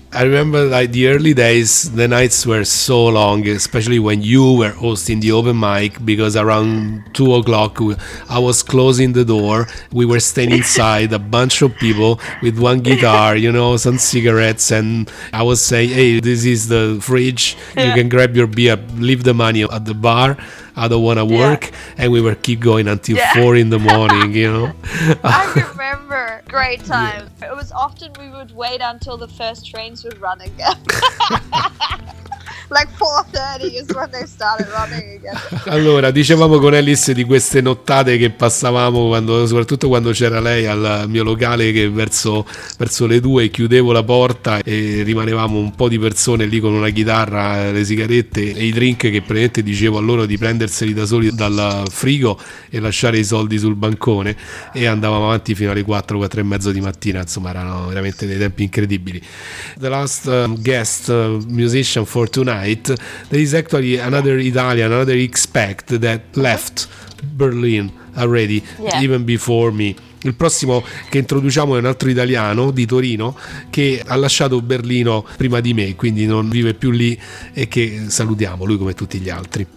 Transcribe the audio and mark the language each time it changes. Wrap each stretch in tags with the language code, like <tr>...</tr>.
<en>I remember like the early days, the nights were so long, especially when you were hosting the open mic, because around 2 o'clock I was closing the door, we were staying inside, a bunch of people with one guitar, you know, some cigarettes, and I was saying, hey, this is the fridge, you can grab your beer, leave the money at the bar, I don't want to work, and we were keep going until 4 in the morning, you know. I remember, great time. Yeah. It was often we would wait until the first trains would run again. Like 4:30 is when they started running again.</en> <it>Allora, dicevamo con Alice di queste nottate che passavamo, quando, soprattutto quando c'era lei al mio locale, che verso le 2 chiudevo la porta e rimanevamo un po' di persone lì con una chitarra, le sigarette e i drink, che praticamente dicevo a loro di prenderseli da soli dal frigo e lasciare i soldi sul bancone, e andavamo avanti fino alle 4, 4 e mezzo di mattina. Insomma, erano veramente dei tempi incredibili.</it> <en>The last guest musician for tonight, there is actually another Italian, another expat that left Berlin already, even before me.</en> <it>Il prossimo che introduciamo è un altro italiano di Torino che ha lasciato Berlino prima di me, quindi non vive più lì, e che salutiamo, lui come tutti gli altri.</it>